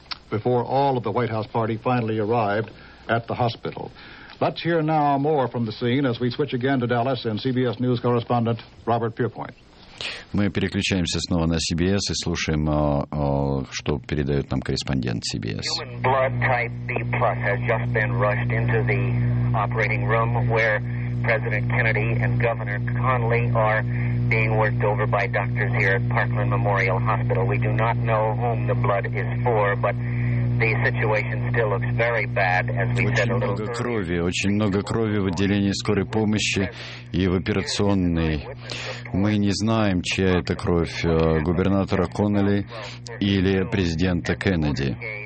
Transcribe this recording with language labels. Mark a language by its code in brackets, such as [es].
[en] Before all of the White House party finally arrived at the hospital. Let's hear now more from the scene as we switch again to Dallas and CBS News correspondent Robert Pierpoint. [ru] Мы переключаемся снова на CBS и слушаем, что передает нам корреспондент CBS. [en] Human blood type B plus has just been rushed into the operating room where President Kennedy and Governor Connally are being worked over by doctors here at Parkland Memorial Hospital. We do not know whom the blood is for, but the situation still looks very bad, as we said a little earlier. [ru] Очень много крови в отделении скорой помощи и в операционной. Мы не знаем, чья это кровь, губернатора Коннелли или президента Кеннеди.